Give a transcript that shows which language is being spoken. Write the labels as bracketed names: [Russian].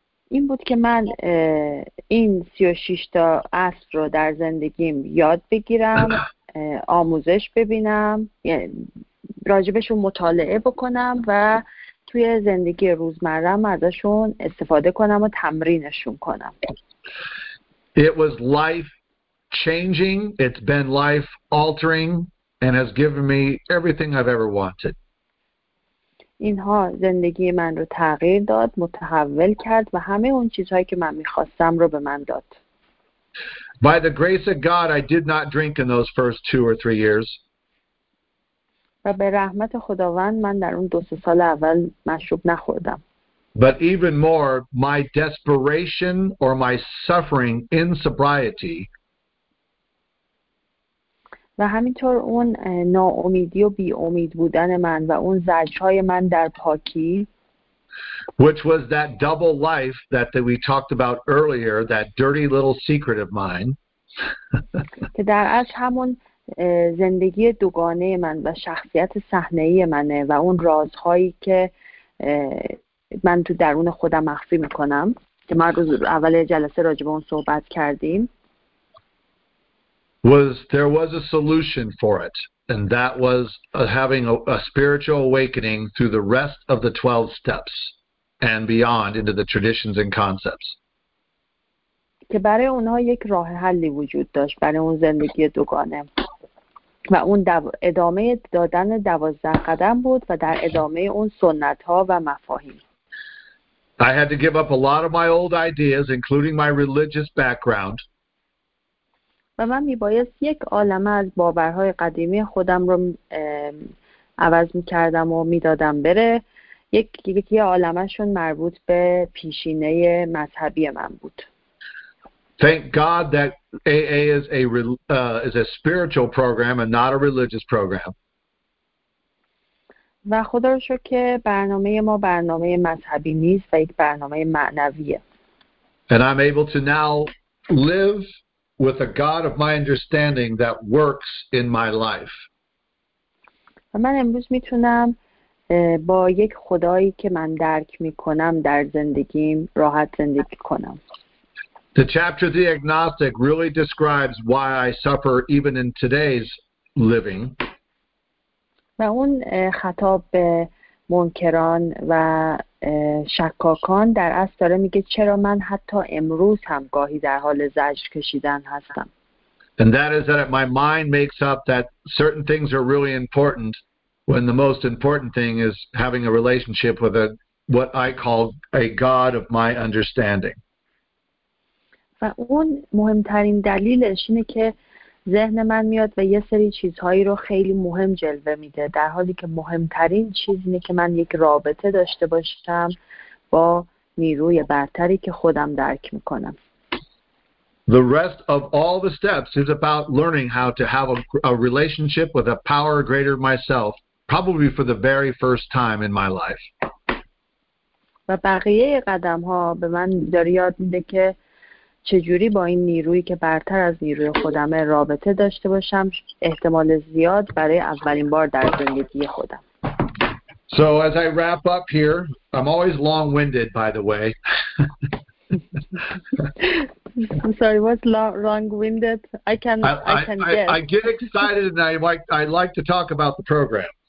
[Persian] این بود که من این 36 تا اصل رو در زندگیم یاد بگیرم، آموزش ببینم، راجبشون مطالعه بکنم و توی زندگی روزمره‌ام ازشون استفاده کنم و تمرینشون کنم. [English] It was life changing, it's been life altering and has given me everything I've ever wanted. [Persian] اینها زندگی من رو تغییر داد، متحول کرد و همه اون چیزهایی که من می‌خواستم رو به من داد. [English] By the grace of God, I did not drink in those first 2 or 3 years. [Persian] و به رحمت خداوند من در اون 2-3 سال اول مشروب نخوردم. [English] But even more, my desperation or my suffering in sobriety. [Persian] و همینطور اون ناامیدی و بیامید بودن من و اون زجرهای من در پاکی، [English] which was that double life that we talked about earlier, that dirty little secret of mine. [Persian] که در اصل همون زندگی دوگانه من و شخصیت صحنه‌ای منه و اون رازهایی که من تو درون خودم مخفی میکنم که من روز اول جلسه راجع به اون صحبت کردیم. [English] There was a solution for it, and that was having a spiritual awakening through the rest of the 12 steps and beyond into the traditions and concepts. [Persian] که برای اونها یک راه حلی وجود داشت برای اون زندگی دوگانه و اون ادامه دادن 12 قدم بود و در ادامه اون سنت ها و مفاهیم. [English] I had to give up a lot of my old ideas, including my religious background. [Persian] و من میبایست یک عالمه از باورهای قدیمی خودم رو عوض میکردم و میدادم بره. یکی عالمه شون مربوط به پیشینه مذهبی من بود. [English] Thank God that AA is a spiritual program and not a religious program. [Persian] و خدا رو شکر که برنامه ما برنامه مذهبی نیست و یک برنامه معنویه. [English] And I'm able to now live with a God of my understanding that works in my life. [Persian] من امروز میتونم با یک خدایی که من درک میکنم در زندگیم راحت زندگی کنم. [English] The chapter of the agnostic really describes why I suffer even in today's living. [Persian] و اون خطاب به منکران و شکاکان در اصل داره میگه چرا من حتی امروز هم گاهی در حال زجر کشیدن هستم. [English] And that is that my mind makes up that certain things are really important when the most important thing is having a relationship with what I call a God of my understanding. [Persian] و اون مهمترین دلیلش اینه که ذهن من میاد و یه سری چیزهایی رو خیلی مهم جلوه میده، در حالی که مهمترین چیز اینه که من یک رابطه داشته باشم با نیروی برتری که خودم درک میکنم. [English] The rest of all the steps is about learning how to have a relationship with a power greater than myself, probably for the very first time in my life. [Persian] و بقیه قدم ها به من داره یاد میده که چجوری با این نیرویی که برتر از نیروی خودمه رابطه داشته باشم، احتمال زیاد برای اولین بار در زندگی خودم. [English] So as I wrap up here, I'm always long-winded, by the way. I'm sorry, what's long-winded? I can guess. I get excited and I like to talk about the program.